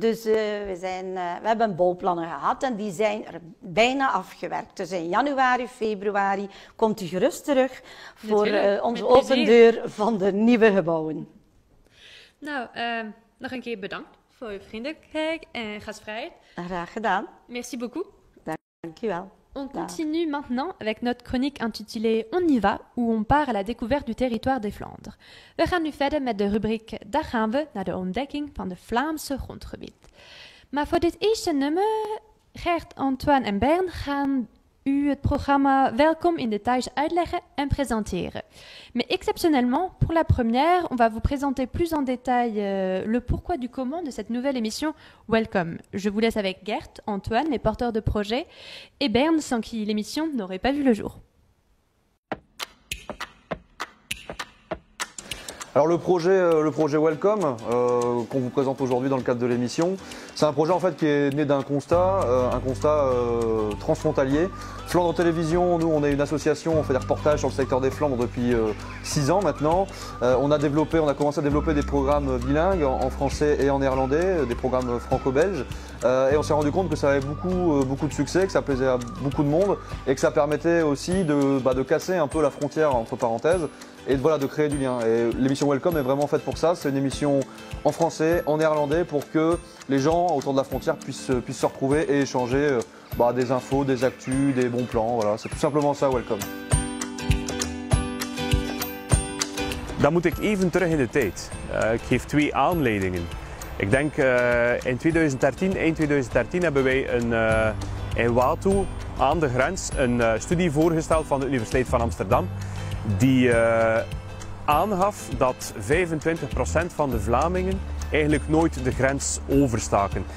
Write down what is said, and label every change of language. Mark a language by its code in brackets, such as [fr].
[nl] Dus we hebben bouwplannen gehad en die zijn er bijna afgewerkt. Dus in januari, februari komt u gerust terug voor onze open deur van de nieuwe gebouwen. Nou, nog een keer bedankt voor uw vriendelijkheid en gastvrijheid. Graag gedaan. [fr] Merci beaucoup. [nl] Dankjewel. [fr] On continue maintenant avec notre chronique intitulée « On y va » où on part à la découverte du territoire des Flandres. [nl] We gaan nu verder met de rubriek « Daar gaan we » naar de ontdekking van de Vlaamse grondgebied. Maar voor dit eerste nummer, Gert, Antoine en Bernd gaan u het programma Welkom in details uitleggen en presenteren. [fr] Mais exceptionnellement, pour la première, on va vous présenter plus en détail le pourquoi du comment de cette nouvelle émission Welcome. Je vous laisse avec Gert, Antoine, les porteurs de projet, et Bernd, sans qui l'émission n'aurait pas vu le jour. Alors le projet Welcome qu'on vous présente aujourd'hui dans le cadre de l'émission, c'est un projet en fait qui est né d'un constat, transfrontalier. Flandre Télévision, nous on est une association, on fait des reportages sur le secteur des Flandres depuis 6 ans maintenant. On a commencé à développer des programmes bilingues en français et en néerlandais, des programmes franco-belges. Et on s'est rendu compte que ça avait beaucoup de succès, que ça plaisait à beaucoup de monde et que ça permettait aussi de casser un peu la frontière entre parenthèses. Et voilà, de créer du lien. Et l'émission Welcome est vraiment faite pour ça. C'est une émission en français, en néerlandais, pour que les gens autour de la frontière puissent se retrouver et échanger des infos, des actus, des bons plans. Voilà, c'est tout simplement ça, Welcome. [nl] Dan moet ik even terug in de tijd. Ik geef twee aanleidingen. Ik denk in 2013, eind 2013, hebben wij in Watu aan de grens een studie voorgesteld van de Universiteit van Amsterdam. Die aangaf dat 25% van de Vlamingen eigenlijk nooit de grens overstaken.